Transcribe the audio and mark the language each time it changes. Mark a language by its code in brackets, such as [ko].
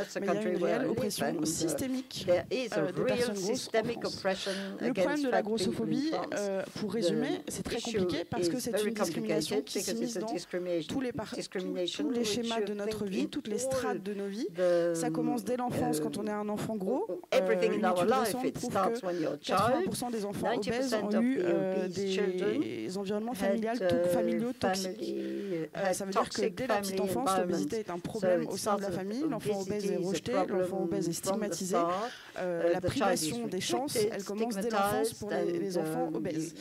[fr] Mais il y a une réelle oppression systémique des personnes grosses. Le problème de la grossophobie, pour résumer, c'est très compliqué parce que c'est une discrimination qui s'immisce dans tous les schémas de notre vie, toutes les strates de nos vies. Ça commence dès l'enfance quand on est un enfant gros. [en] Everything in our life, it starts when you're a child. [fr] 80% des enfants obèses ont eu des environnements familiaux toxiques. Ça veut dire que dès la petite enfance, l'obésité est un problème au sein de la famille. L'enfant obèse est rejeté, l'enfant obèse est stigmatisé. La privation des chances, elle commence dès l'enfance pour les enfants obèses.